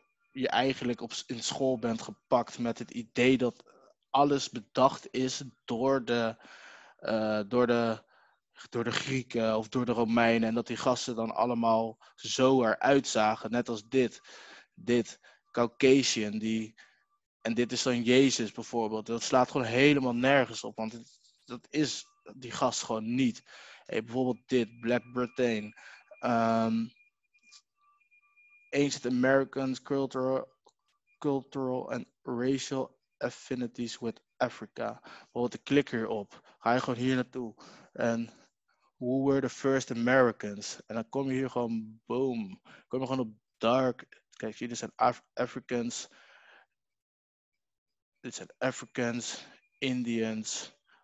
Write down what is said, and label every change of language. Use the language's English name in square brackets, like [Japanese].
[Dutch] je eigenlijk in school bent gepakt met het idee dat alles bedacht is door de Grieken of door de Romeinen en dat die gasten dan allemaal zo eruit zagen, net als dit Caucasian die en dit is dan Jezus bijvoorbeeld. Dat slaat gewoon helemaal nergens op, want dat is die gast gewoon niet. Hey, bijvoorbeeld dit Black Britain. [English] Ancient Americans cultural and racial affinities with Africa. [Dutch] Bijvoorbeeld, ik klik hierop. Ga je gewoon hier naartoe. En [English] who were the first Americans? [Dutch] En dan kom je hier gewoon, boom. Kom je gewoon op dark. Kijk, hier zijn Africans. Dit zijn Africans, Indians.